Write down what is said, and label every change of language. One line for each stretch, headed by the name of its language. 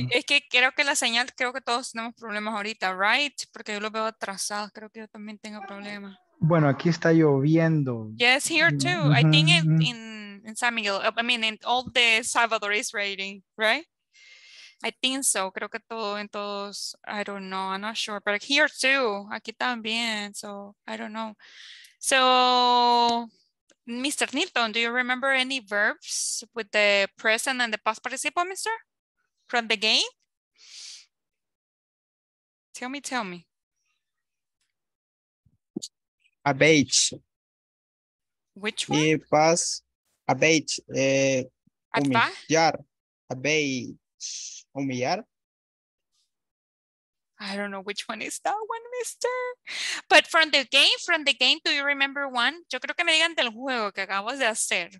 Spanish: Es que creo que la señal, creo que todos tenemos problemas ahorita, right? Porque yo lo veo atrasado, creo que yo también tengo problemas. Bueno, aquí está lloviendo.
English: Yes, here too. Mm-hmm. I think in San Miguel, I mean, in all the Salvador is raining, right? I think so.
Spanish: Creo que todo en todos.
English: I don't know. I'm not sure. But here too.
Spanish: Aquí también.
English: So I don't know. So Mr. Nilton, do you remember any verbs with the present and the past participle, mister? From the game? Tell me. Abate. Which one? The past. Abate. Humillar. Abate. Humillar. I don't know which one is that one, mister. But from the game, do you remember one?
Spanish: Yo creo que me digan del juego que acabas de hacer.